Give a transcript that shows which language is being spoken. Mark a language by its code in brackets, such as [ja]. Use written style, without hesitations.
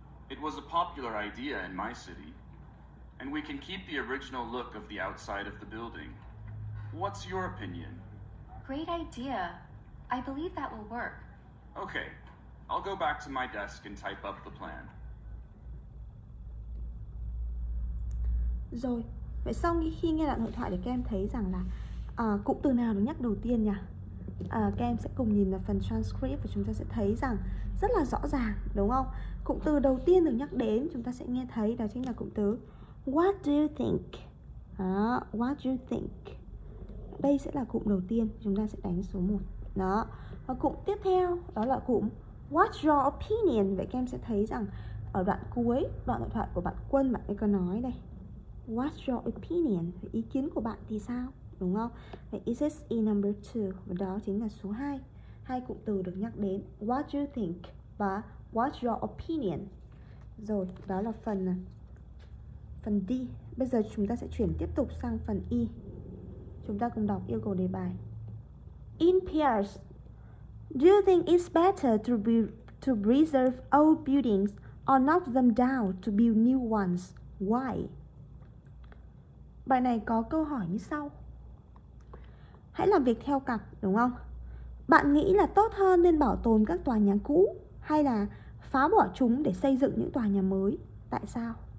[en] It was a popular idea in my city. And we can keep the original look of the outside of the building. What's your opinion? Great idea. I believe that will work. Okay, I'll go back to my desk and type up the plan. [vi] Rồi, vậy sau khi nghe đoạn hội thoại thì các em thấy rằng là cụm từ nào được nhắc đầu tiên nhỉ? Các em sẽ cùng nhìn vào phần transcript và chúng ta sẽ thấy rằng rất là rõ ràng, đúng không? Cụm từ đầu tiên được nhắc đến, chúng ta sẽ nghe thấy đó chính là cụm từ [en] What do you think? [vi] Đó, [en] what do you think? [vi] Đây sẽ là cụm đầu tiên, chúng ta sẽ đánh số 1. Đó, và cụm tiếp theo đó là cụm [en] What's your opinion? [vi] Vậy các em sẽ thấy rằng ở đoạn cuối, đoạn hội thoại của bạn Quân, bạn ấy có nói đây, [en] What's your opinion? [vi] Ý kiến của bạn thì sao? Đúng không? [en] Is this E number 2? [vi] Và đó chính là số 2. Hai cụm từ được nhắc đến, [en] What do you think? [vi] Và [en] What's your opinion? [vi] Rồi, đó là phần D. Bây giờ chúng ta sẽ chuyển tiếp tục sang phần E. Chúng ta cùng đọc yêu cầu đề bài. [en] In pairs, do you think it's better to preserve old buildings or knock them down to build new ones? Why? [vi] Bài này có câu hỏi như sau. Hãy làm việc theo cặp, đúng không? Bạn nghĩ là tốt hơn nên bảo tồn các tòa nhà cũ hay là phá bỏ chúng để xây dựng những tòa nhà mới? Tại sao?